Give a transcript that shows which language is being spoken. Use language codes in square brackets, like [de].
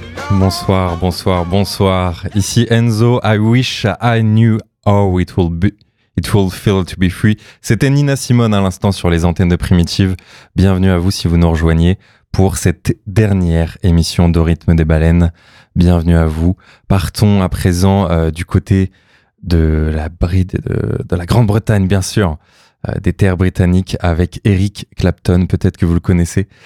[fr] Bonsoir, bonsoir, bonsoir. [en] Ici Enzo, I wish I knew how it will feel to be free. [fr] C'était Nina Simone à l'instant sur les antennes de Primitive. Bienvenue à vous si vous nous rejoignez pour cette dernière émission d'Au rythme des baleines. Bienvenue à vous. Partons à présent du côté de la Grande-Bretagne, bien sûr, des terres britanniques avec Eric Clapton, peut-être que vous le connaissez.